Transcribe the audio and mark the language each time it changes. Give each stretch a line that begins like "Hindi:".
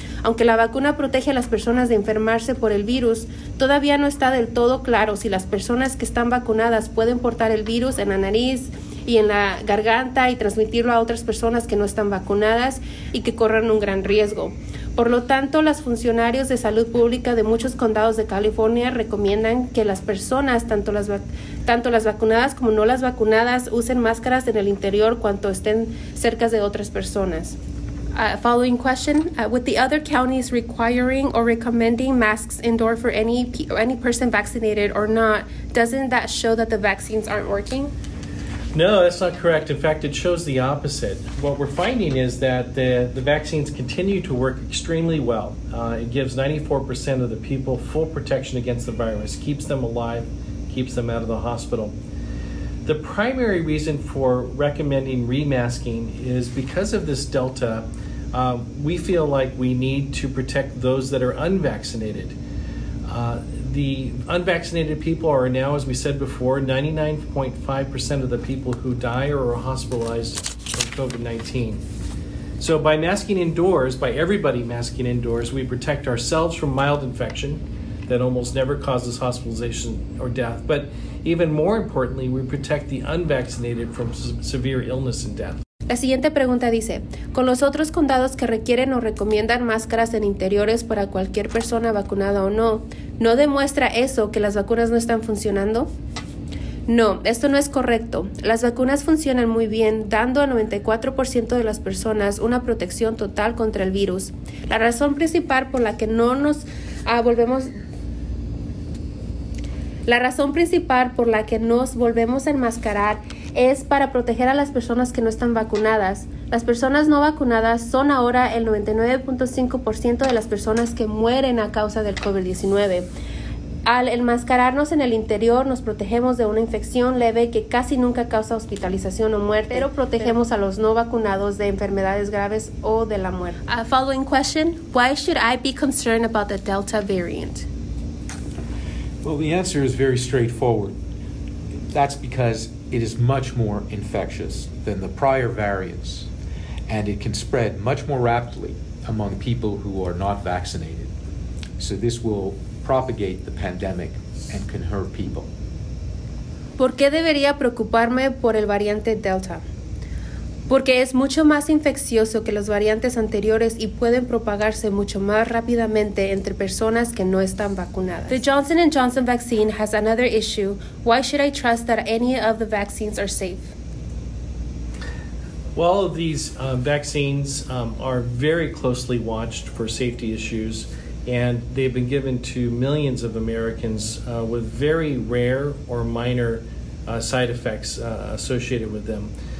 Spanish: Aunque la vacuna protege a las personas de enfermarse por el virus, todavía no está del todo claro si las personas que están vacunadas pueden portar el virus en la nariz y en la garganta y transmitirlo a otras personas que no están vacunadas y que corren un gran riesgo. Por lo tanto, los funcionarios de salud pública de muchos condados de California recomiendan que las personas, tanto las vacunadas como no las vacunadas, usen máscaras en el interior cuando estén cerca de otras personas.
English: Following question, with the other counties requiring or recommending masks indoor for any person vaccinated or not, doesn't that show that the vaccines aren't working? No, that's not correct. In fact, it shows the opposite. What we're finding is that the vaccines continue to work extremely well. It gives 94% of the people full protection against the virus, keeps them alive, keeps them out of the hospital. The primary reason for recommending remasking is because of this Delta, we feel like we need to protect those that are unvaccinated. The unvaccinated people are now, as we said before, 99.5% of the people who die or are hospitalized from COVID-19. So by masking indoors, by everybody masking indoors, we protect ourselves from mild infection that almost never causes hospitalization or death. But even more importantly, we protect the unvaccinated from severe illness and death.
Spanish: La siguiente pregunta dice, con los otros condados que requieren o recomiendan máscaras en interiores para cualquier persona vacunada o no, ¿no demuestra eso que las vacunas no están funcionando? No, esto no es correcto. Las vacunas funcionan muy bien, dando a 94% de las personas una protección total contra el virus. La razón principal por la que nos volvemos a enmascarar es para proteger a las personas que no están vacunadas. Las personas no vacunadas son ahora el 99.5% de las personas que mueren a causa del COVID-19. Al enmascararnos en el interior, nos protegemos de una infección leve que casi nunca causa hospitalización o muerte, pero protegemos a los no vacunados de enfermedades graves o de la muerte.
English: Following question, why should I be concerned about the Delta variant? Well, the answer is very straightforward. That's because it is much more infectious than the prior variants, and it can spread much more rapidly among people who are not vaccinated. So this will propagate the pandemic and can hurt people.
Spanish: ¿Por qué debería preocuparme por el variante Delta? Porque es mucho más infeccioso que los variantes anteriores y pueden propagarse mucho más rápidamente entre personas que no están vacunadas.
English: The Johnson & Johnson vaccine has another issue. Why should I trust that any of the vaccines are safe? Well, these vaccines are very closely watched for safety issues, and they've been given to millions of Americans with very rare or minor side effects associated with them.